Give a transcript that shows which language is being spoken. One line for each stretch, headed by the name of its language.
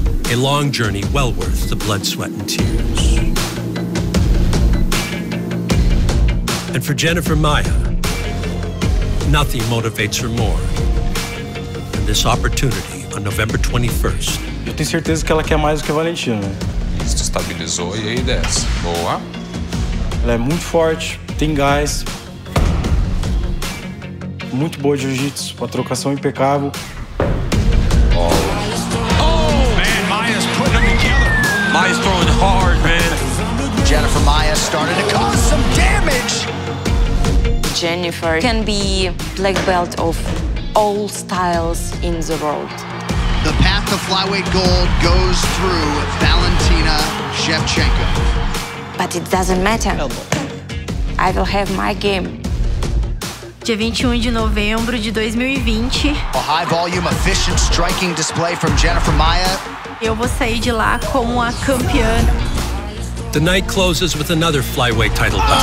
English: A long journey well worth the blood, sweat, and tears. And for Jennifer Maya, nothing motivates her more than this opportunity on November 21st.
Portuguese: Eu tenho certeza que ela quer mais do que a Valentina. Se estabilizou e aí desce. Boa. Ela é muito forte, tem gás. Muito boa de jiu-jitsu, com a trocação impecável.
English: Oh, man, Maya's putting them together. Maya's throwing hard, man. Jennifer Maya started to cause some damage. Jennifer can be black belt of all styles in the world. The path to flyweight gold goes through Valentina Shevchenko. But it doesn't matter. I will have my game.
Portuguese: Dia 21 de novembro de 2020.
English: A high volume, efficient striking display from Jennifer Maya.
Portuguese: Eu vou sair de lá como a campeã.
English: The night closes with another flyweight title bout.